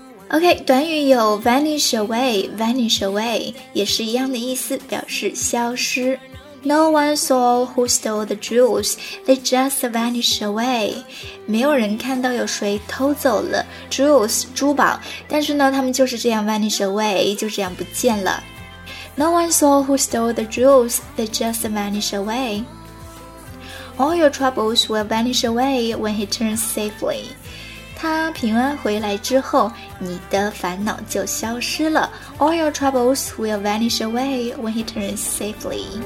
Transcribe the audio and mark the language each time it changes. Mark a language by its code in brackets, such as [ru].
[en] OK 短语有 vanish away Vanish away [zh] 也是一样的意思表示消失 [en] No one saw who stole the jewels They just vanished away [zh] 没有人看到有谁偷走了 [en] Jewels [zh] 珠宝但是呢他们就是这样 [en] vanish away [zh] 就这样不见了 [en] No one saw who stole the jewels They just vanished awayAll your troubles will vanish away when he turns safely. [zh] 他平安回来之后，你的烦恼就消失了。 [en] All your troubles will vanish away when he turns safely.